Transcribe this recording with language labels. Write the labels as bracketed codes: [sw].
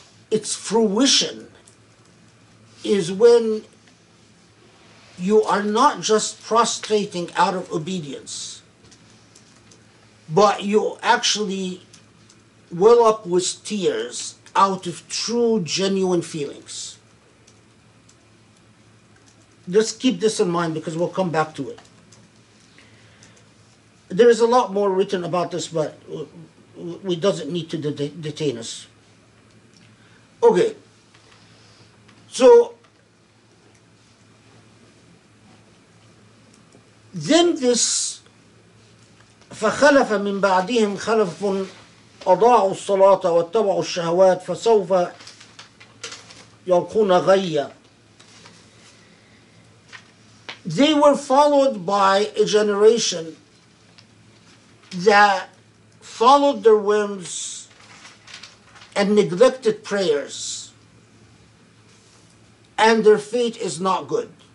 [en] its fruition is when you are not just prostrating out of obedience, but you actually well up with tears out of true, genuine feelings. just keep this in mind because we'll come back to it. There is a lot more written about this, but we doesn't need to detain us. Okay. So then this [ar] فخلف من بعدهم خلف أضاعوا الصلاة واتبعوا الشهوات فسوف يلقون غيا. [en] They were followed by a generation that followed their whims and neglected prayers, and their fate is not good.